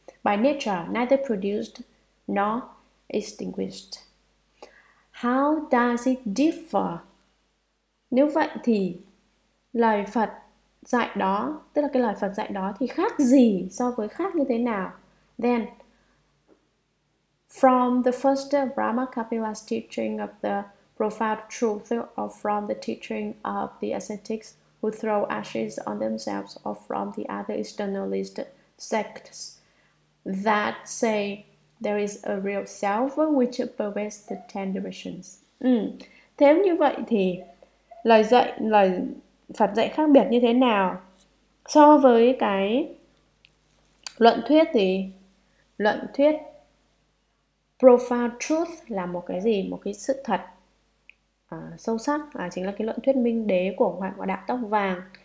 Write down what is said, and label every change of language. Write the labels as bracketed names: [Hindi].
[English] By nature neither produced nor extinguished. How does it differ? [Vietnamese] Nếu vậy thì lời Phật dạy đó, tức là cái lời Phật dạy đó thì khác gì so với khác như thế nào? [English] Then, from the first Brahmakapila's teaching of the profound truth, or from the teaching of the ascetics who throw ashes on themselves, or from the other externalist sects that say there is a real self which pervades the ten directions. [Vietnamese] Thế như vậy thì lời Phật dạy khác biệt như thế nào so với cái luận thuyết, thì luận thuyết [English] profound truth [Vietnamese] là một cái gì? Một cái sự thật sâu sắc, chính là cái luận thuyết minh đế của Hoàng Đạo Tóc Vàng.